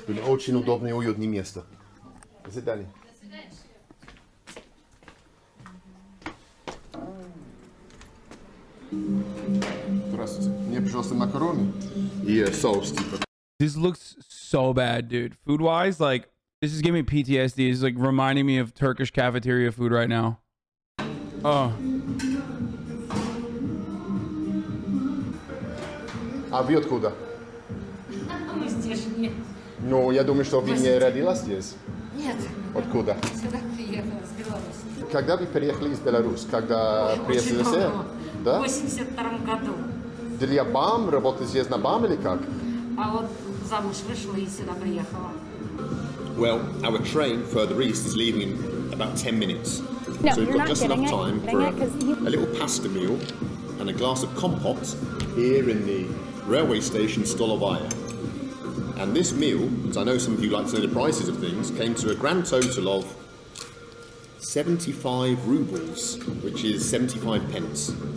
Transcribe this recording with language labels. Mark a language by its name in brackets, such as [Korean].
[Russian] Были очень удобные и уютные места. До свидания. Здравствуйте. Мне, пожалуйста, макароны и соус типа. [English] This looks so bad, dude. Food-wise, like, this is giving me PTSD. This is, like, reminding me of Turkish cafeteria food right now. Oh. [Russian] А вы откуда? Мы здешние. Ну, я думаю, что вы не родилась здесь. Нет. Откуда? Сюда приехала, с Беларуси. Когда вы переехали из Беларуси? Когда приехали в СССР? Да? В 82-м году. Для БАМ? Работать здесь на БАМ или как? А вот замуж вышла и сюда приехала. [English] Well, our train further east is leaving in about 10 minutes. No, so we've got just enough time for a little pasta meal and a glass of compote here in the railway station Stolovaya. And this meal, as I know some of you like to know the prices of things, came to a grand total of 75 rubles, which is 75 pence.